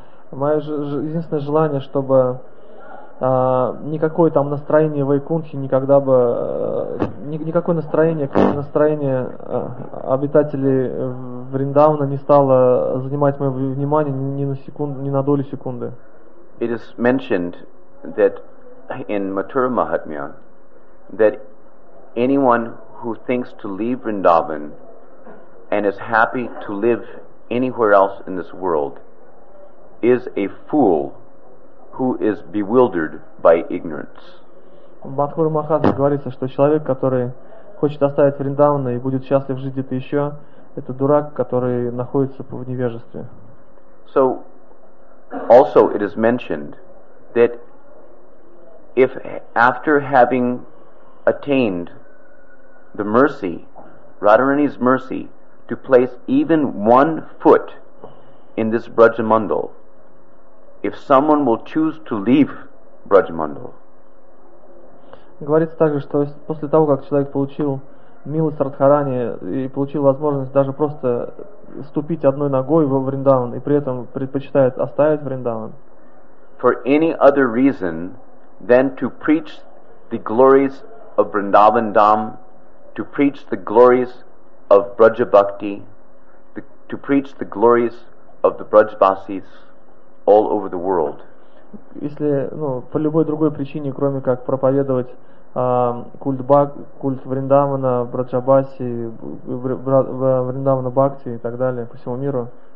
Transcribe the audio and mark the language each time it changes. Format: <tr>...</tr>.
<ru>Единственное желание, чтобы никакое там настроение Вайкунхи никогда бы никакое настроение, как настроение обитателей Вриндауна не стало занимать мое внимание ни на долю секунды.</ru> <en>it is mentioned that in Mathura Mahatmya that anyone who thinks to leave Vrindavan and is happy to live anywhere else in this world is a fool who is bewildered by ignorance.</en> <ru>В Мадхура Махатме говорится, что человек, который хочет оставить Вриндаван и будет счастлив жить где-то еще, это дурак, который находится в невежестве.</ru> <en>So, also it is mentioned that if after having attained the mercy, Radharani's mercy, to place even one foot in this Brajamandal, if someone will choose to leave Brajamandal.</en> <ru>Говорится также, что после того, как человек получил милость Радхарани и получил возможность даже просто ступить одной ногой во Вриндаван и при этом предпочитает оставить Вриндаван.</ru> <en>For any other reason than to preach the glories of Vrindavan Dham, to preach the glories of Braja Bhakti, to preach the glories of the Brajvasis all over the world.</en> <ru>Если, ну, по любой другой причине, кроме как проповедовать культ Вриндавана, Браджабаси, Вриндавана Бхакти и так далее по всему миру.</ru>